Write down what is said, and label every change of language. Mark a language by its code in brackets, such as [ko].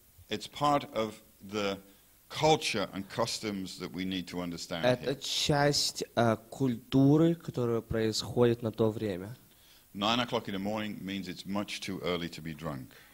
[en] It's part of the culture and customs that we need to understand. [ru] Это часть культуры, которая происходит на то время. [en] 9 o'clock in the morning means it's much too early to be drunk.